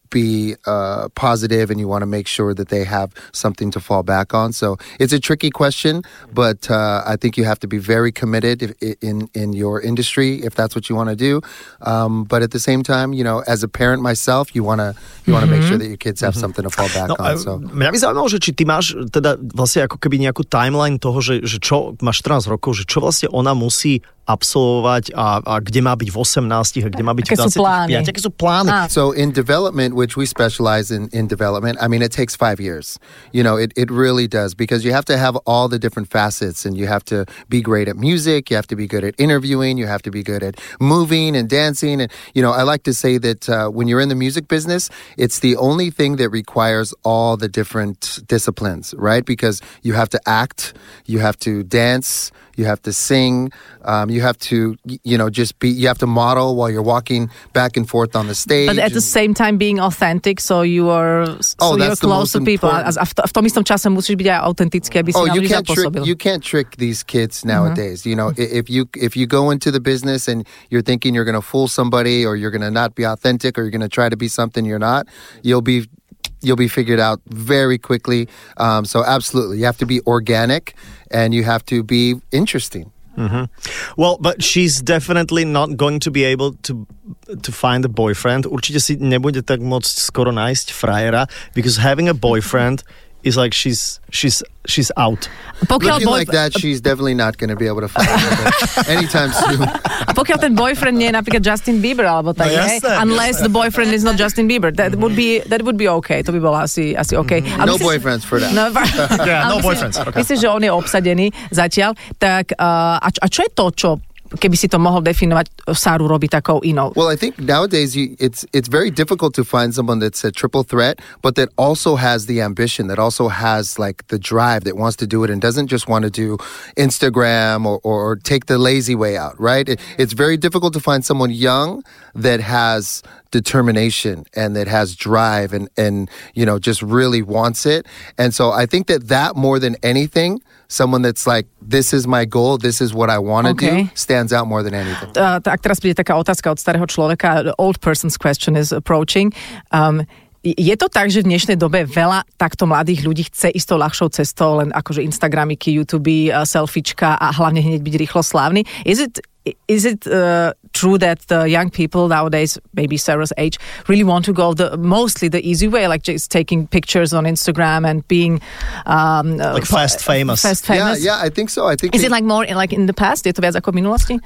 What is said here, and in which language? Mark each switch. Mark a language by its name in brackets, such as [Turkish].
[English] be positive and you want to make sure that they have something to fall back on. So it's a tricky question, but I think you have to be very committed in your industry if that's what you want to do. But at the same time, you know, as a parent myself, you want to make sure that your kids have something to fall back on. So [Slovak] mňa by zaujímalo, že či ty máš teda vlastne ako keby nejakú timeline toho, že čo máš 14 rokov, že čo vlastne ona musí absolvovať a kde má byť v 18 a kde má byť v 25. Aké sú plány? [English] So in development, which we specialize in development, I mean, it takes 5 years. You know, it really does, because you have to have all the different facets, and you have to be great at music, you have to be good at interviewing, you have to be good at moving and dancing. And, you know, I like to say that when you're in the music business, it's the only thing that requires all the different disciplines, right? Because you have to act, you have to dance, you have to sing, you have to, you know, just be, you have to model while you're walking back and forth on the stage. But at the same time being authentic, so you are you're close to people. [Slovak] V tom istom čase musíš byť aj autentický, aby si na ľudí zapôsobil. [English] You can't trick these kids nowadays. Mm-hmm. You know, if you go into the business and you're thinking you're going to fool somebody, or you're going to not be authentic, or you're going to try to be something you're not, you'll be figured out very quickly. So absolutely, you have to be organic and you have to be interesting. Mm-hmm. Well, but she's definitely not going to be able to find a boyfriend. [Slovak] Určite si nebude tak moc skoro nájsť frajera, [English] because having a boyfriend is like she's out. Pokiaľ like that, she's definitely not going to be able to find anytime soon. [Slovak] A pokiaľ ten boyfriend nie je napríklad Justin Bieber alebo tak, hej? [English] Unless the boyfriend is not Justin Bieber, that would be okay. [Slovak] To by bolo asi okay. [English] Mm-hmm. No boyfriends for that. No boyfriends. Okay. [Slovak] Myslíš, že on je obsadený zatiaľ, tak a čo je to, čo keby si to mohol definovať, Sáru robí takou inou? [English] Well, I think nowadays it's very difficult to find someone that's a triple threat, but that also has the ambition, that also has like the drive, that wants to do it and doesn't just want to do Instagram or take the lazy way out, right? It's very difficult to find someone young that has determination and that has drive and you know, just really wants it. And so I think that more than anything, someone that's like, this is my goal, this is what I want to do, stands out more than anything. [Slovak] Tak teraz príde taká otázka od starého človeka, [English] the old person's question is approaching. [Slovak] Je to tak, že v dnešnej dobe veľa takto mladých ľudí chce ísť tou ľahšou cestou, len akože Instagramiky, YouTube, selfiečka a hlavne hneď byť rýchlo slávny? [English] Is it true that the young people nowadays, maybe Sarah's age, really want to go mostly the easy way, like just taking pictures on Instagram and being like fast famous? Yeah, I think so. I think is it like more like in the past? [Slovak] Je to viac ako v minulosti?